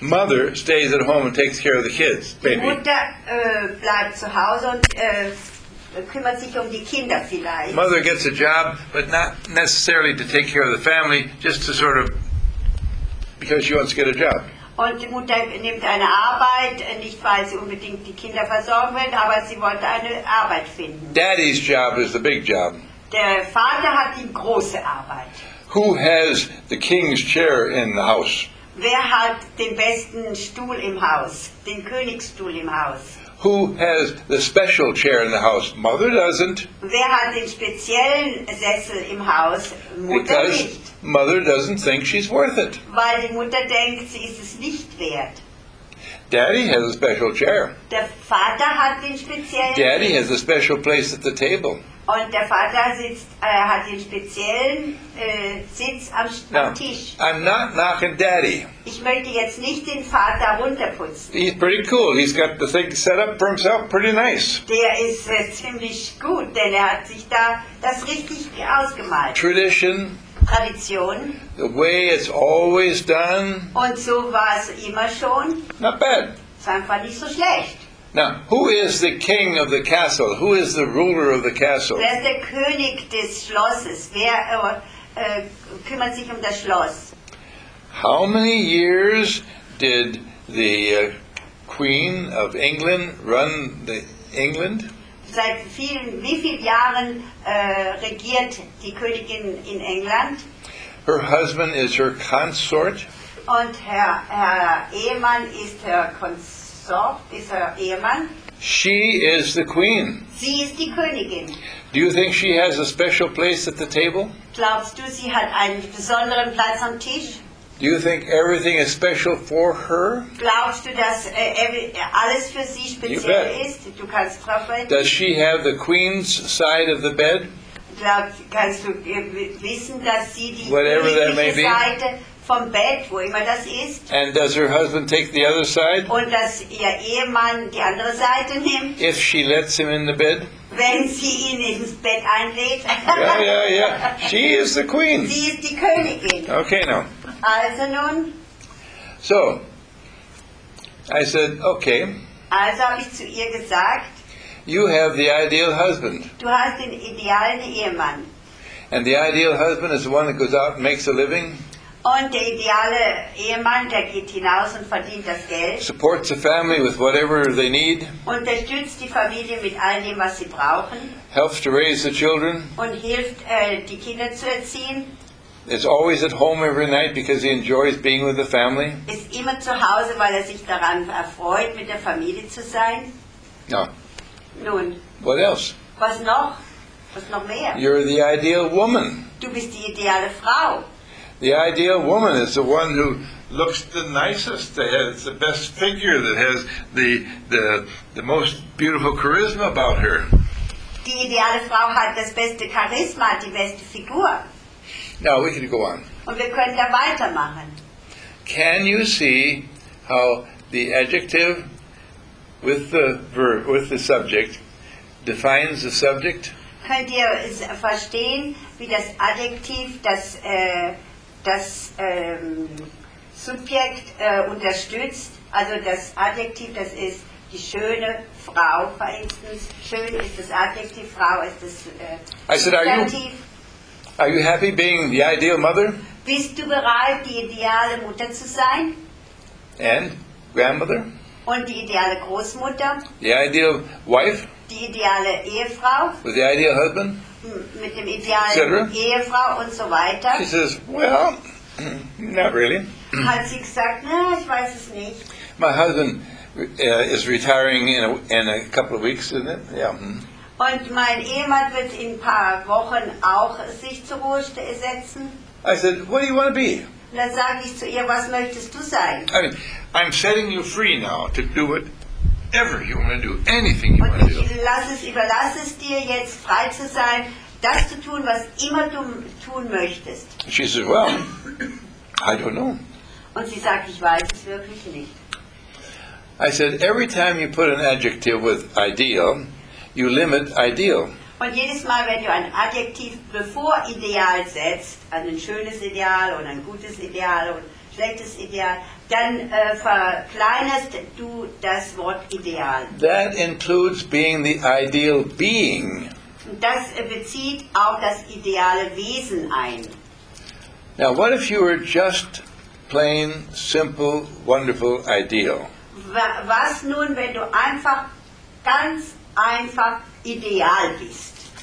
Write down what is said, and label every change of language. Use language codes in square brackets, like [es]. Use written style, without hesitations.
[en] Mother stays at home and takes care of the kids, baby. [de] Die Mutter bleibt zu Hause und kümmert sich um die Kinder vielleicht. [en] Mother gets a job, but not necessarily to take care of the family, just to sort of, because she wants to get a job. [de] Und die Mutter nimmt eine Arbeit, nicht weil sie unbedingt die Kinder versorgen will, aber sie wollte eine Arbeit finden. [en] Daddy's job is the big job. [de] Der Vater hat die große Arbeit. [en] Who has the king's chair in the house? [de] Wer hat den besten Stuhl im Haus, den Königsstuhl im Haus? [en] Who has the special chair in the house? Mother doesn't. [de] Wer hat den speziellen Sessel im Haus? Mutter [en] Because [de] nicht. [en] Mother doesn't think she's worth it. [de] Weil die Mutter denkt, sie ist es nicht wert. [en] Daddy has a special chair. [de] Der Vater hat den speziellen. [en] Daddy has a special place at the table. [de] Und der Vater sitzt, hat den speziellen Sitz am Tisch. [en] I'm not knocking Daddy. [de] Ich möchte jetzt nicht den Vater runterputzen. [en] He's pretty cool. He's got the thing set up for himself pretty nice. [de] Der ist ziemlich gut, denn er hat sich da das richtig ausgemalt. [en] Tradition. The way it's always done. [de] Und so war es immer schon. [en] Not bad. [de] Es war einfach nicht so schlecht. [en] Now, who is the king of the castle? Who is the ruler of the castle? [de] Wer ist der König des Schlosses? Wer kümmert sich um das Schloss? [en] How many years did the Queen of England run the England? [de] Seit wie viel Jahren regiert die Königin in England? [en] Her husband is her consort. [de] Und Herr Ehemann ist her Konsort. [en] She is the queen. [de] Sie ist die Königin. [en] Do you think she has a special place at the table? [de] Glaubst du, sie hat einen besonderen Platz am Tisch? [en] Do you think everything is special for her? [de] Glaubst du, dass alles für sie speziell [en] you bet. [de] Ist? Du kannst drauf reden. [en] Does she have the queen's side of the bed? [de] Kannst du wissen, dass sie die [en] Whatever that may be. [de] Seite vom Bett, wo immer das ist. [en] And does her husband take the other side? [de] Und dass ihr Ehemann die andere Seite nimmt? [en] If she lets him in the bed? [de] Wenn sie ihn ins Bett einlädt. [en] Yeah. She is the queen. [de] Sie ist die Königin. [en] Okay, now. [de] Also nun. [en] So, I said, okay. [de] Also habe ich zu ihr gesagt. [en] You have the ideal husband. [de] Du hast den idealen Ehemann. [en] And the ideal husband is the one that goes out and makes a living. [de] Und der ideale Ehemann, der geht hinaus und verdient das Geld. [en] Supports the family with whatever they need. [de] Unterstützt die Familie mit all dem, was sie brauchen. [en] Helps to raise the children. [de] Und hilft, die Kinder zu erziehen. [en] Is always at home every night because he enjoys being with the family. [de] Ist immer zu Hause, weil er sich daran erfreut, mit der Familie zu sein. [en] No. [de] Nun. [en] What else? [de] Was noch? Was noch mehr? [en] You're the ideal woman. [de] Du bist die ideale Frau. [en] The ideal woman is the one who looks the nicest, that has the best figure, that has the most beautiful charisma about her. [de] Die ideale Frau hat das beste Charisma, die beste Figur. [en] Now we can go on. [de] Und wir können da weitermachen. [en] Can you see how the adjective with the verb, with the subject defines the subject? [de] Könnt ihr verstehen, wie das Adjektiv das Subjekt unterstützt, also das Adjektiv, das ist die schöne Frau, [en] for instance. [de] Schön ist das Adjektiv, Frau ist das [en] I said, are you happy being the ideal mother? [de] Bist du bereit, die ideale Mutter zu sein? [en] And grandmother? [de] Und die ideale Großmutter? [en] The ideal wife? [de] Die ideale Ehefrau? [en] With the ideal husband? [de] Mit dem idealen Ehefrau und so weiter. [en] She says, well, not really. [de] Hat sie gesagt, na, ich weiß es nicht. [en] My husband is retiring in a couple of weeks, isn't it? Yeah. [de] Und mein Ehemann wird in ein paar Wochen auch sich zur Ruhe setzen. [en] I said, what do you want to be? [de] Und dann sage ich zu ihr, was möchtest du sein? [en] I mean, I'm setting you free now to do whatever you want to do, anything you want to do. [de] Und ich überlasse es dir jetzt, frei zu sein, das zu tun, was immer du tun möchtest. [en] She said, well, I don't know. [de] Und sie sagt, ich weiß es wirklich nicht. [en] I said, every time you put an adjective with ideal, you limit ideal. [de] Und jedes Mal, wenn du ein Adjektiv bevor Ideal setzt, also ein schönes Ideal und ein gutes Ideal und ein schlechtes Ideal, dann verkleinerst du das Wort Ideal. [en] That includes being the ideal being. [de] Das bezieht auch das ideale Wesen ein. [en] Now, what if you were just plain, simple, wonderful ideal? [de] Was nun, wenn du einfach, ganz einfach ideal bist?